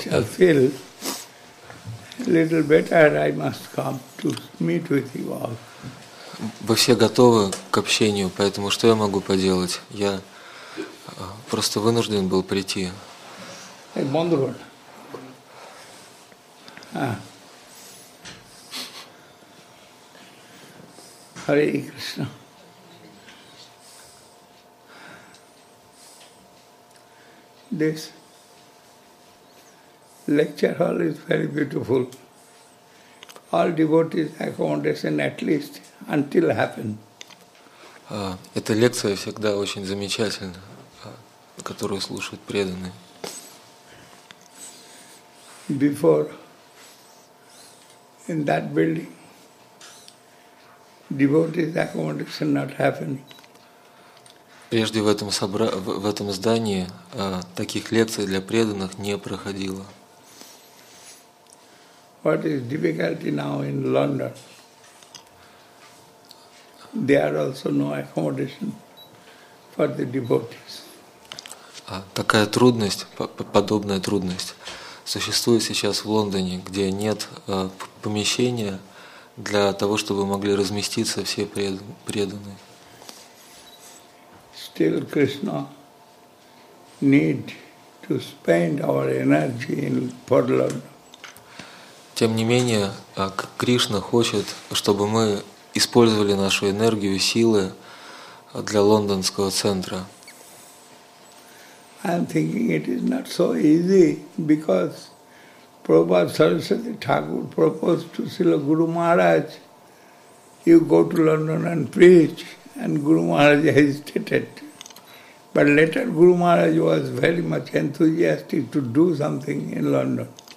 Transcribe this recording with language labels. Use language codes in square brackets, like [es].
[en] If I shall feel a little better, I must come to meet with you all. [ru] Вы все готовы к общению, поэтому что я могу поделать? Я просто вынужден был прийти. Бондрун. Харе Кришна. [en] This lecture hall is very beautiful. All devotees accommodation at least until happen. [ru] Эта лекция всегда очень замечательна, которую слушают преданные. [en] Before in that building devotees accommodation not happening. [ru] Прежде в этом здании таких лекций для преданных не проходило. [en] What is difficulty now in London? There also no accommodation for the devotees. [ru] Такая трудность, подобная трудность существует сейчас в Лондоне, где нет помещения для того, чтобы могли разместиться все преданные. [en] Still Krishna need to spend our energy in Portland. [ru] Тем не менее, Кришна хочет, чтобы мы использовали нашу энергию, силы для лондонского центра. [en] I'm thinking it is not so easy because Prabhupada Saraswati Thakur proposed to Srila Guru Maharaj, you go to London and preach, and Guru Maharaj hesitated. But later Guru Maharaj was very much enthusiastic to do something in London.